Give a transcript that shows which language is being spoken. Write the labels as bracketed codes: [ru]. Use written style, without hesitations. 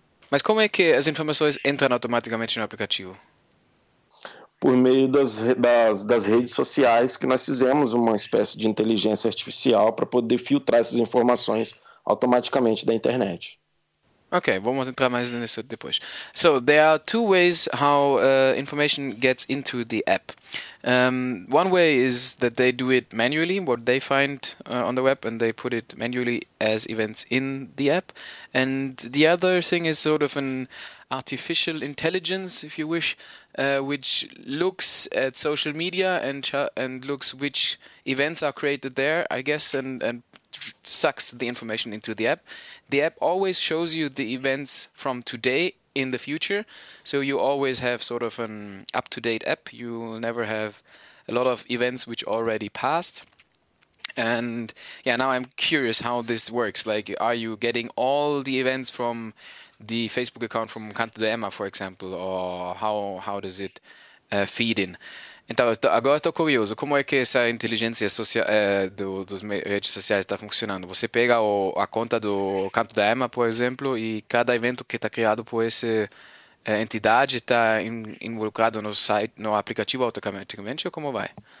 [pt] Mas como é que as informações entram automaticamente no aplicativo? Por meio das redes sociais, que nós fizemos uma espécie de inteligência artificial para poder filtrar essas informações automaticamente da internet. Ok, vamos entrar mais nisso depois. [en] So there are two ways how information gets into the app. One way is that they do it manually, what they find on the web, and they put it manually as events in the app. And the other thing is sort of an artificial intelligence, if you wish, which looks at social media and looks which events are created there, I guess, and sucks the information into the app. The app always shows you the events from today in the future, so you always have sort of an up-to-date app. You'll never have a lot of events which already passed. And yeah, now I'm curious how this works. Like, are you getting all the events from the Facebook account from Canto de Emma, for example, or how does it feeding. [pt] Então, agora estou curioso, como é que essa inteligência social, dos redes sociais está funcionando? Você pega a conta do Canto da Ema, por exemplo, e cada evento que está criado por essa entidade está involucrado no site, no aplicativo automaticamente, ou como vai?